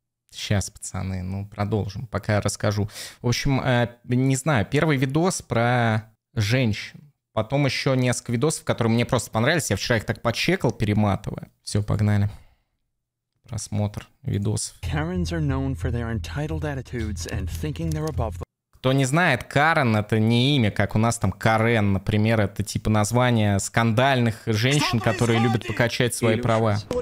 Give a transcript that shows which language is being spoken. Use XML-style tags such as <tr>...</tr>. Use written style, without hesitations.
<ru>сейчас, пацаны, ну, продолжим, пока я расскажу. В общем, не знаю, первый видос про женщин. Потом еще несколько видосов, которые мне просто понравились. Я вчера их так почекал, перематывая. Все, погнали. Просмотр видосов.</ru> <en>Karens are known for their entitled attitudes and thinking they're above them.</en> <ru>Кто не знает, Карен — это не имя, как у нас там Карен, например, это типа название скандальных женщин, которые любят покачать свои права.</ru>